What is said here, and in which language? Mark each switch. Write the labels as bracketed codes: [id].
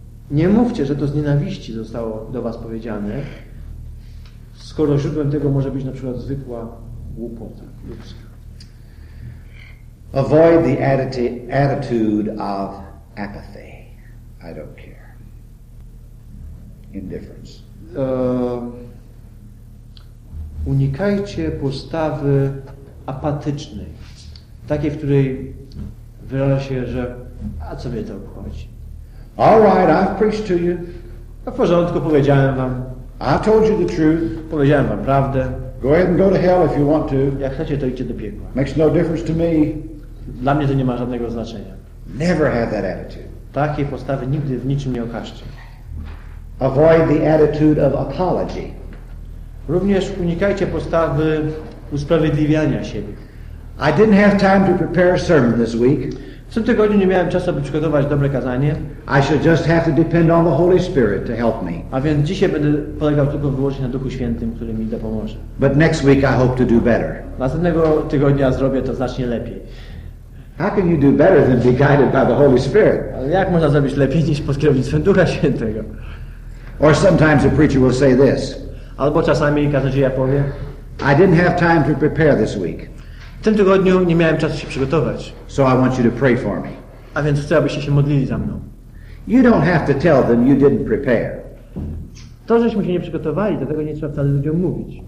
[pl] Nie mówcie, że to z nienawiści zostało do was powiedziane, skoro źródłem tego może być na przykład zwykła głupota ludzka. [en] Avoid the attitude of apathy. I don't care. Indifference. [pl] Unikajcie postawy apatycznej. Takiej, w której wyraża się, że a co mnie to obchodzi? [en] All right, I've preached to you. [pl] W porządku, powiedziałem wam. [en] I've told you the truth. [pl] Powiedziałem wam prawdę. [en] Go ahead and go to hell if you want to. [pl] Jak chcecie, to idźcie do piekła. [en] Makes no difference to me. [pl] Dla mnie to nie ma żadnego znaczenia. [en] Never have that attitude. [pl] Takiej postawy nigdy w niczym nie okażcie. [en] Avoid the attitude of apology. [pl] Również unikajcie postawy usprawiedliwiania siebie. [en] I didn't have time to prepare a sermon this week. [pl] W tym tygodniu nie miałem czasu, aby przygotować dobre kazanie. [en] I shall just have to depend on the Holy Spirit to help me. [pl] A więc dzisiaj będę polegał tylko wyłącznie na Duchu Świętym, który mi dopomoże. [en] But next week I hope to do better. [pl] Następnego tygodnia zrobię to znacznie lepiej. [en] How can you do better than be guided by the Holy Spirit? [pl] Ale jak można zrobić lepiej niż pod kierownictwem Ducha Świętego? [en] Or sometimes a preacher will say this. [pl] Albo czasami kazanie powie. [en] I didn't have time to prepare this week. [pl] W tym tygodniu nie miałem czasu się przygotować. [en] So I want you to pray for me. [pl] A więc chcę, abyście się modlili za mną. [en] You don't have to tell them you didn't prepare. [pl] To, żeśmy się nie przygotowali, do tego nie trzeba wcale ludziom mówić.